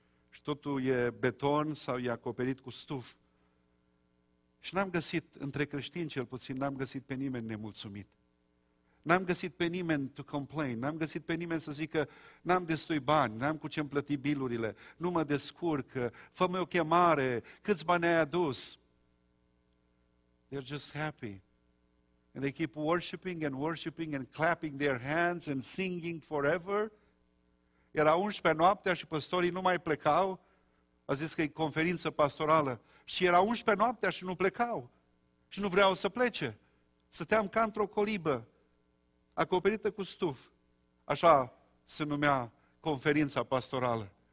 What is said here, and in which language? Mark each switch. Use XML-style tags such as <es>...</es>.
<ro>Și totul e beton sau e acoperit cu stuf. Și n-am găsit, între creștini cel puțin, n-am găsit pe nimeni nemulțumit. N-am găsit pe nimeni</ro> <en>to complain,</en> <ro>n-am găsit pe nimeni să zică n-am destui bani, n-am cu ce-mi plăti bilurile, nu mă descurc, fă-mi o chemare, câți bani ai adus?</ro> <en>They're just happy. And they keep worshiping and clapping their hands and singing forever.</en> <ro>Era 11 noaptea și păstorii nu mai plecau. A zis că e conferință pastorală. Și era 11 noaptea și nu plecau. Și nu vreau să plece. Stăteam ca într-o colibă, acoperită cu stuf. Așa se numea conferința pastorală.</ro>